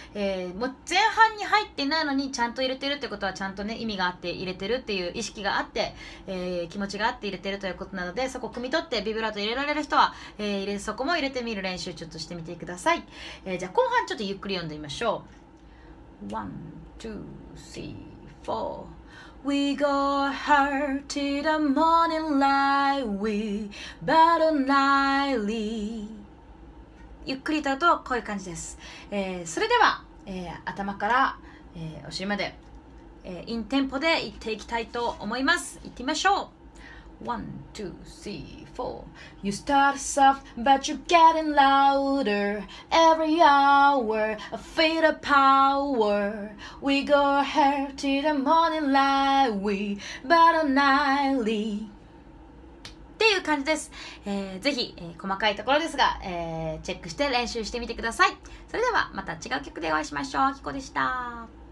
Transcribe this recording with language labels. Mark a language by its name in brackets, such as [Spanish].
[Japanese] もう前半に入ってないのにちゃんと入れてるってことはちゃんとね意味があって入れてるっていう意識があって、気持ちがあって入れてるということなのでそこを汲み取ってビブラート入れられる人は、そこも入れてみる練習ちょっとしてみてください、じゃあ後半ちょっとゆっくり読んでみましょう。 [English] 1,2,3,4We go hard to the morning light, we battle nightly. [Japanese] ゆっくりと歌うとこういう感じです、それでは、頭から、お尻まで、インテンポでいっていきたいと思います。いってみましょう。 1, 2, 3, 4 You start soft, but you're getting louder Every hour, I feel the power We go ahead to the morning light We battle nightly っていう感じです、ぜひ、細かいところですが、チェックして練習してみてください。それではまた違う曲でお会いしましょう。彬子でした。